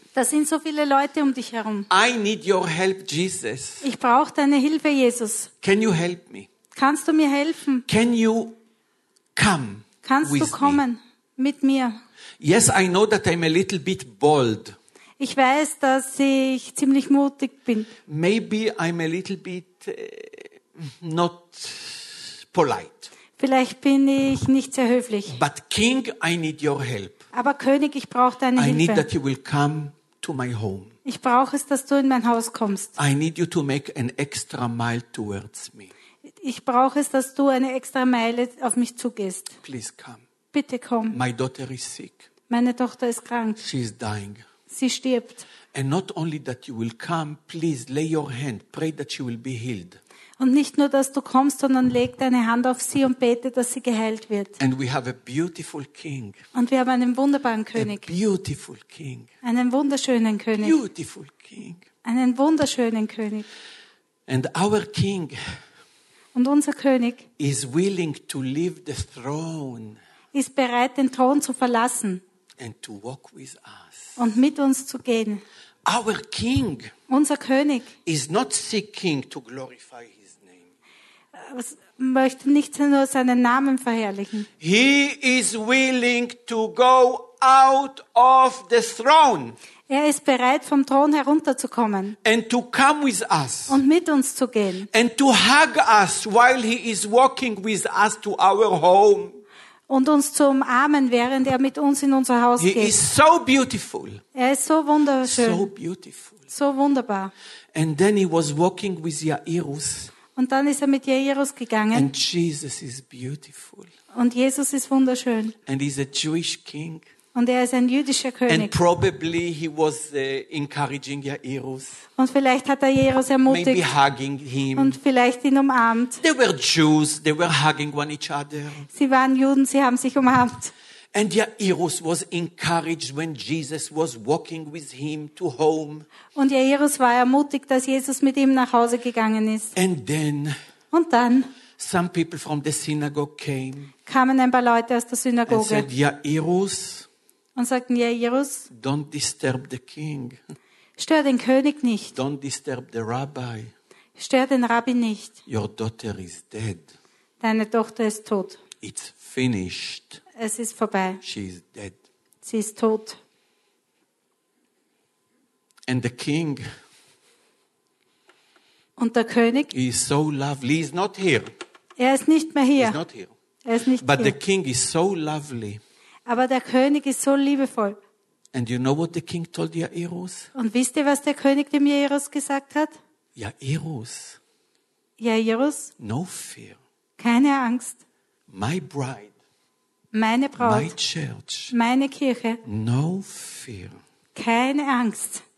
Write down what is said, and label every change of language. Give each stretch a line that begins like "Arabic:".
German: Da sind so viele Leute um dich herum.
English: I need your help, Jesus.
German: Ich brauche deine Hilfe, Jesus.
English: Can you help me?
German: Kannst du mir helfen?
English: Can you come?
German: Kannst du kommen mit mir?
English: Yes, I know that I'm a little bit bold.
German: Ich weiß, dass ich ziemlich mutig bin.
English: Maybe I'm a little bit not polite.
German: Vielleicht bin ich nicht sehr höflich.
English: But King, I need your help.
German: Aber König, ich brauche deine Hilfe.
English: I need that you will come to my home.
German: Ich brauche es, dass du in mein Haus kommst.
English: I need you to make an extra mile towards me.
German: Ich brauche es, dass du eine extra Meile auf mich zugehst.
English: Please come.
German: Bitte komm.
English: My daughter is sick.
German: Meine Tochter ist krank.
English: She is dying.
German: Sie stirbt.
English: And not only that you will come, please lay your hand. Pray that she will be healed.
German: Und nicht nur, dass du kommst, sondern leg deine Hand auf sie und bete, dass sie geheilt wird.
English: And we have a beautiful king.
German: Und wir haben einen wunderbaren König.
English: A beautiful king.
German: Einen wunderschönen König.
English: Beautiful king.
German: Einen wunderschönen König.
English: And our king.
German: Und unser König.
English: Is willing to leave the throne.
German: Ist bereit, den Thron zu verlassen.
English: And to walk with us.
German: Und mit uns zu gehen.
English: Our king.
German: Unser König
English: is not seeking to glorify his name.
German: Möchte nicht nur seinen Namen verherrlichen.
English: He is willing to go out of the throne.
German: Er ist bereit, vom Thron herunterzukommen.
English: And to come with us.
German: Und mit uns zu gehen.
English: And to hug us while he is walking with us to our home.
German: Und uns zu umarmen, während er mit uns in unser Haus geht.
English: He is so beautiful.
German: Er ist so wunderschön.
English: So beautiful.
German: So wunderbar.
English: And then he was walking with Jairus.
German: Und dann ist er mit Jairus gegangen.
English: And Jesus is beautiful.
German: Und Jesus ist wunderschön.
English: And he's a Jewish king.
German: Und er ist ein jüdischer König.
English: And probably he was encouraging Jairus.
German: Und vielleicht hat er Jairus ermutigt.
English: Maybe hugging him.
German: Und vielleicht ihn umarmt.
English: They were Jews, they were hugging one each other.
German: Sie waren Juden, sie haben sich umarmt.
English: And Jairus was encouraged when Jesus was walking with him to home.
German: Und Jairus war ermutigt, dass Jesus mit ihm nach Hause gegangen ist.
English: And then.
German: Und dann.
English: Some people from the synagogue came.
German: Kamen ein paar Leute aus der Synagoge.
English: And said, Jairus.
German: Und sagten, Jairus,
English: don't disturb the king.
German: Stör den König nicht.
English: Don't disturb the rabbi.
German: Stör den Rabbi nicht.
English: Your daughter is dead.
German: Deine Tochter ist tot.
English: It's finished.
German: Es ist vorbei.
English: She is dead.
German: Sie ist tot.
English: And the king.
German: Und der König.
English: He is so lovely. He's not here.
German: Er ist nicht mehr hier.
English: He's not here.
German: Er ist nicht
English: But
German: hier.
English: The king is so lovely.
German: Aber der König ist so liebevoll.
English: And you know what the king told Jairus?
German: Und wisst ihr, was der König dem Jairus gesagt hat?
English: Jairus.
German: Jairus.
English: No fear.
German: Keine Angst.
English: My bride.
German: Meine Braut.
English: My church.
German: Meine Kirche.
English: No fear.
German: Keine Angst.